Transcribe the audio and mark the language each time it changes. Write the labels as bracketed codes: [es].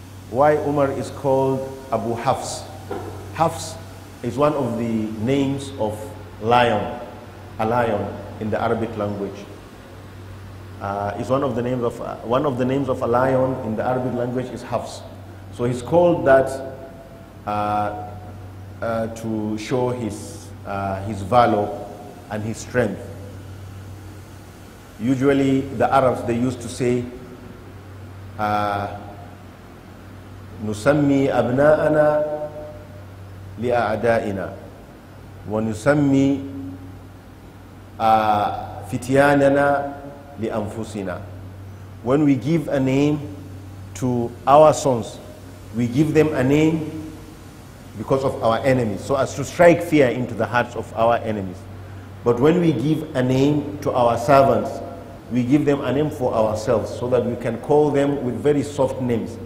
[en] Why Umar is called Abu Hafs? Hafs is one of the names of lion, a lion in the Arabic language. Is one of the names of a lion in the Arabic language is Hafs. So he's called that to show his valor and his strength. Usually the Arabs, they used to say, [ar] نسمي أبناءنا لأعدائنا ونسمي فتياننا لأنفسنا. [en] When we give a name to our sons, we give them a name because of our enemies, so as to strike fear into the hearts of our enemies. But when we give a name to our servants, we give them a name for ourselves, so that we can call them with very soft names.